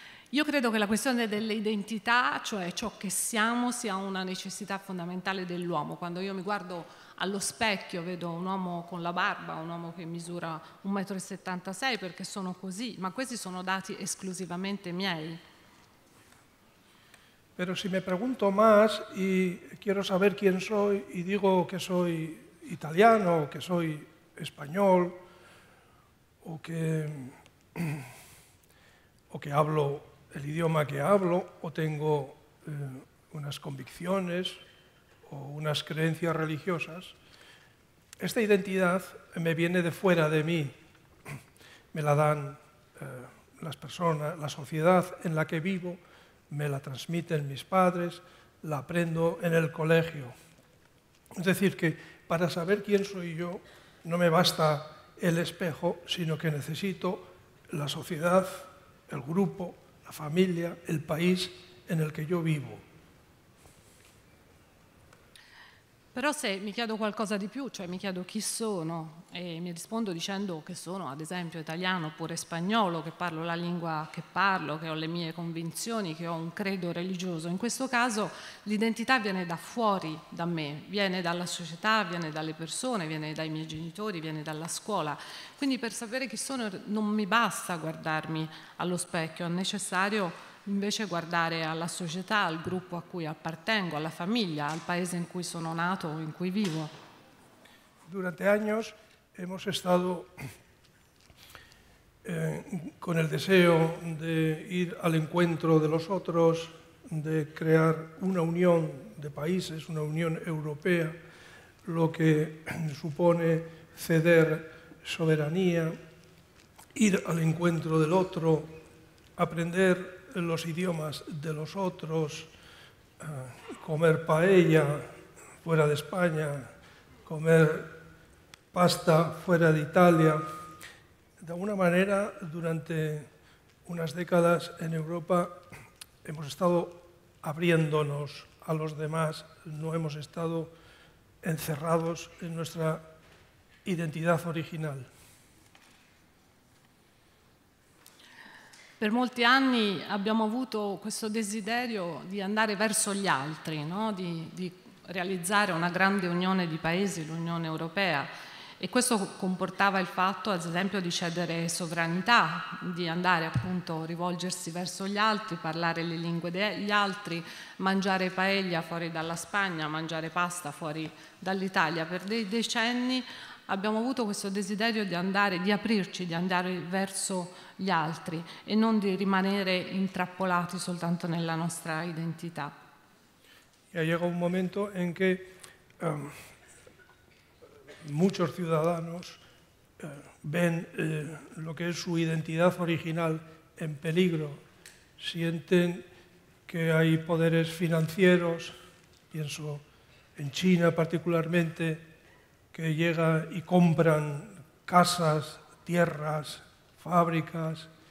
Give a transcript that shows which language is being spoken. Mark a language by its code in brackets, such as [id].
[it] Io credo che la questione dell'identità, cioè ciò che siamo, sia una necessità fondamentale dell'uomo. Quando io mi guardo allo specchio, vedo un uomo con la barba, un uomo che misura 1,76 m, perché sono così, ma questi sono dati esclusivamente miei. [es] Pero si me pregunto más y quiero saber quién soy y digo que soy italiano o que soy español o que hablo el idioma que hablo o tengo unas convicciones o unas creencias religiosas, esta identidad me viene de fuera de mí, me la dan las personas, la sociedad en la que vivo, me la transmiten mis padres, la aprendo en el colegio. Es decir, que para saber quién soy yo no me basta el espejo, sino que necesito la sociedad, el grupo, la familia, el país en el que yo vivo. [it] Però se mi chiedo qualcosa di più, cioè mi chiedo chi sono, e mi rispondo dicendo che sono ad esempio italiano oppure spagnolo, che parlo la lingua che parlo, che ho le mie convinzioni, che ho un credo religioso, in questo caso l'identità viene da fuori da me, viene dalla società, viene dalle persone, viene dai miei genitori, viene dalla scuola. Quindi per sapere chi sono non mi basta guardarmi allo specchio, è necessario invece guardare alla società, al gruppo a cui appartengo, alla famiglia, al paese in cui sono nato o in cui vivo. [es] Durante años hemos estado con el deseo de ir al encuentro de los otros, de crear una unión de países, una unión europea, lo que supone ceder soberanía, ir al encuentro del otro, aprender los idiomas de los otros, comer paella fuera de España, comer pasta fuera de Italia. De alguna manera, durante unas décadas en Europa, hemos estado abriéndonos a los demás, no hemos estado encerrados en nuestra identidad original. [it] Per molti anni abbiamo avuto questo desiderio di andare verso gli altri, no? di realizzare una grande unione di paesi, l'Unione Europea, e questo comportava il fatto, ad esempio, di cedere sovranità, di andare appunto a rivolgersi verso gli altri, parlare le lingue degli altri, mangiare paella fuori dalla Spagna, mangiare pasta fuori dall'Italia. Per dei decenni abbiamo avuto questo desiderio di andare, di aprirci, di andare verso gli altri e non di rimanere intrappolati soltanto nella nostra identità. [es] Ya llega un momento en que muchos ciudadanos ven lo que es su identidad original en peligro. Sienten que hay poderes financieros, pienso en China particularmente, que llega y compran casas, tierras, fábricas.